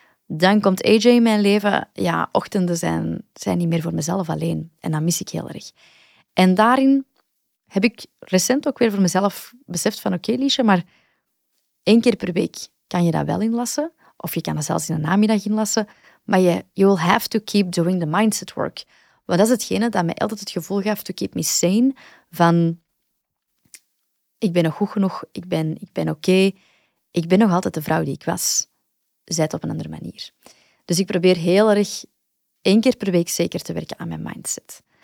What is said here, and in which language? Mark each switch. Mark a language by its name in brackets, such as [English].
[Dutch] Dan komt AJ in mijn leven. Ja, ochtenden zijn niet meer voor mezelf alleen. En dat mis ik heel erg. En daarin heb ik recent ook weer voor mezelf beseft van, oké, Liesje, maar 1 keer per week kan je dat wel inlassen. Of je kan dat zelfs in de namiddag inlassen. [English] Maar you will have to keep doing the mindset work. [Dutch] Want dat is hetgene dat mij altijd het gevoel gaf [English] to keep me sane [Dutch] van... Ik ben nog goed genoeg, ik ben oké. Okay. Ik ben nog altijd de vrouw die ik was. Zij het op een andere manier. Dus ik probeer heel erg 1 keer per week zeker te werken aan mijn mindset.